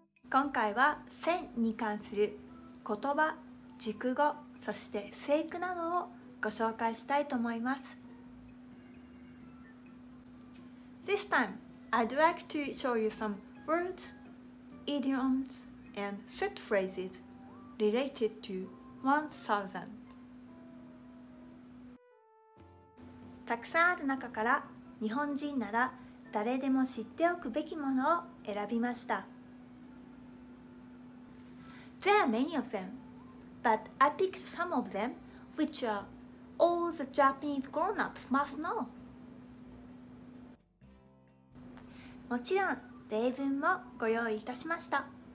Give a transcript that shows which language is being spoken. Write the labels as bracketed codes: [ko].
[ja] 今回は線に関する言葉、熟語、そして生句などをご紹介したいと思います。 [en] This time, I'd like to show you some words, idioms, and set phrases related to 1000. [ja] たくさんある中から日本人なら誰でも知っておくべきものを選びました。 [en] There are many of them, but I picked some of them which are all the Japanese grown-ups must know. [ja] もちろん例文もご用意いたしました。